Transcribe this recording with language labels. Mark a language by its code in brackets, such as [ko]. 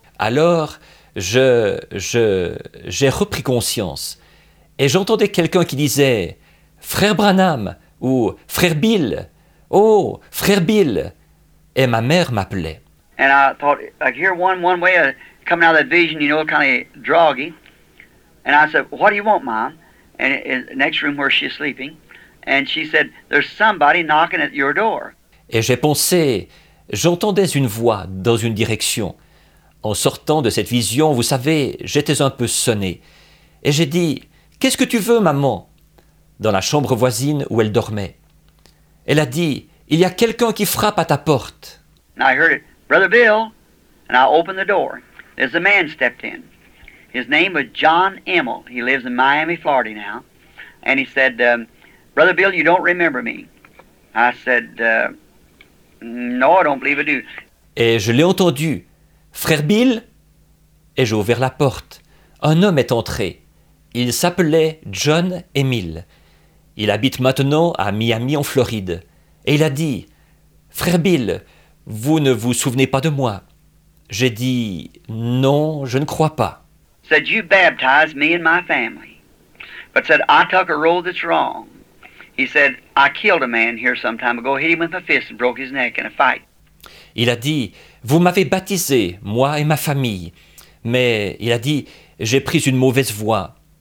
[fr] Alors, j'ai repris conscience, et j'entendais quelqu'un qui disait, Frère Branham, ou Frère Bill, oh, Frère Bill, et ma mère m'appelait. [en] And I thought, I could hear one way of coming out of that vision, you know, kind of droggy, and I said, what do you want, Mom? And in the next room where she's sleeping, and she said, there's somebody knocking at your door. [fr] Et j'ai pensé, j'entendais une voix dans une direction. En sortant de cette vision, vous savez, j'étais un peu sonné. Et j'ai dit, qu'est-ce que tu veux, maman? Dans la chambre voisine où elle dormait. Elle a dit, il y a quelqu'un qui frappe à ta porte. [en] And I heard it, Brother Bill, and I opened the door. There's a man stepped in. His name was John Emil. He lives in Miami, Florida now. And he said, Brother Bill, you don't remember me. I said, no, I don't believe I do. [fr] Et je l'ai entendu. Frère Bill? Et j'ai ouvert la porte. Un homme est entré. Il s'appelait John Emil. Il habite maintenant à Miami, en Floride. Et il a dit, Frère Bill, vous ne vous souvenez pas de moi? J'ai dit, non, je ne crois pas. [en] Said you baptized me and my family, but said I took a role that's wrong. He said I killed a man here some time ago, hit him with my fist and broke his neck in a fight. [fr] Il a dit, vous m'avez baptisé, moi et ma famille, mais il a dit, j'ai pris une mauvaise voie.